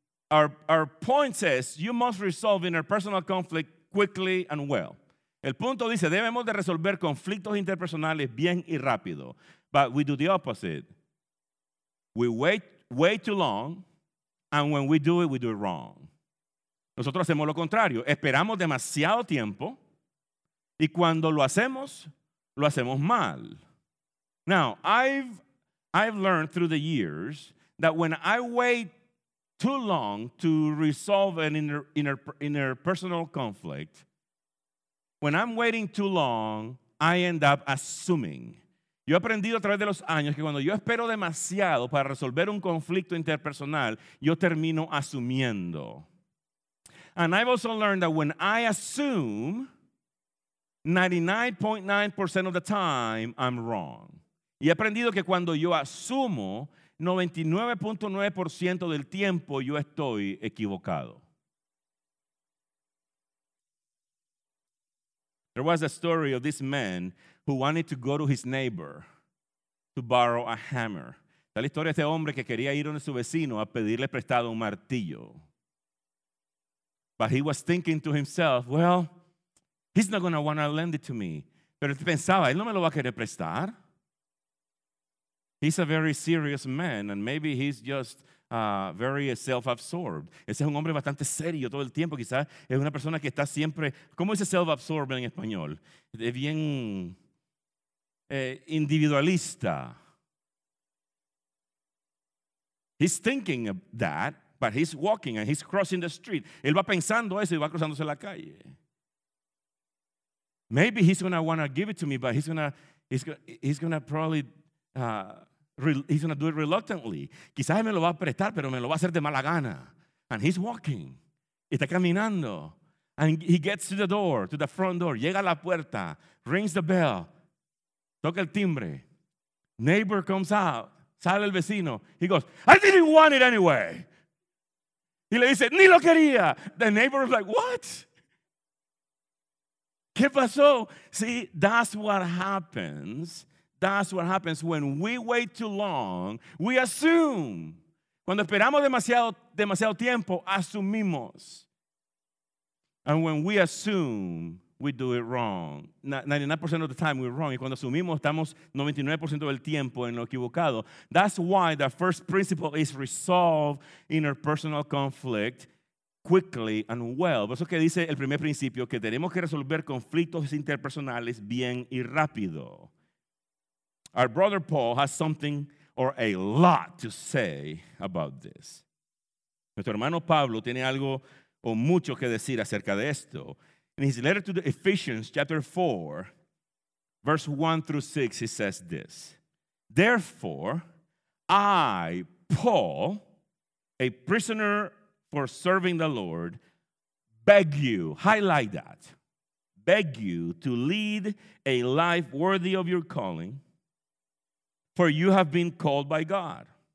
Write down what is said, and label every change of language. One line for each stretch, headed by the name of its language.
English: Our point says, you must resolve interpersonal conflict quickly and well.
Spanish: El punto dice, debemos de resolver conflictos interpersonales bien y rápido.
English: But we do the opposite. We wait way too long, and when we do it wrong.
Spanish: Nosotros hacemos lo contrario. Esperamos demasiado tiempo, y cuando lo hacemos mal.
English: Now, I've learned through the years that when I wait too long to resolve an interpersonal conflict, when I'm waiting too long, I end up assuming.
Spanish: Yo he aprendido a través de los años que cuando yo espero demasiado para resolver un conflicto interpersonal, yo termino asumiendo.
English: And I've also learned that when I assume, 99.9% of the time, I'm wrong.
Spanish: Y he aprendido que cuando yo asumo, 99.9% del tiempo, yo estoy equivocado.
English: There was a story of this man who wanted to go to his neighbor to borrow a hammer.
Spanish: Está la historia de este hombre que quería ir donde su vecino a pedirle prestado un martillo.
English: But he was thinking to himself, well, he's not going to want to lend it to me.
Spanish: Pero él pensaba, él no me lo va a querer prestar.
English: He's a very serious man, and maybe he's just very self-absorbed.
Spanish: Ese es un hombre bastante serio todo el tiempo. Quizás es una persona que está siempre, ¿cómo dice self-absorbed en español? Es bien individualista.
English: He's thinking of that, but he's walking and he's crossing the street.
Spanish: Él va pensando eso y va cruzándose la calle.
English: Maybe he's going to want to give it to me, but he's going to do it reluctantly.
Spanish: Quizás me lo va a prestar, pero me lo va a hacer de mala gana.
English: And he's walking.
Spanish: Está caminando.
English: And he gets to the door, to the front door.
Spanish: Llega a la puerta.
English: Rings the bell.
Spanish: Toca el timbre.
English: Neighbor comes out.
Spanish: Sale el vecino.
English: He goes, I didn't want it anyway.
Spanish: Y le dice, ni lo quería.
English: The neighbor is like, what?
Spanish: ¿Qué pasó?
English: See, that's what happens when we wait too long, we assume.
Spanish: Cuando esperamos demasiado tiempo, asumimos.
English: And when we assume, we do it wrong. 99% of the time, we're wrong.
Spanish: Y cuando asumimos, estamos 99% del tiempo en lo equivocado.
English: That's why the first principle is resolve interpersonal conflict quickly and well.
Spanish: Por eso que dice el primer principio, que tenemos que resolver conflictos interpersonales bien y rápido.
English: Our brother Paul has something or a lot to say about this.
Spanish: Nuestro hermano Pablo tiene algo o mucho que decir acerca de esto.
English: In his letter to the Ephesians, chapter 4, verse 1 through 6, he says this. Therefore, I, Paul, a prisoner for serving the Lord, beg you, highlight that, beg you to lead a life worthy of your calling, for you have been called by God.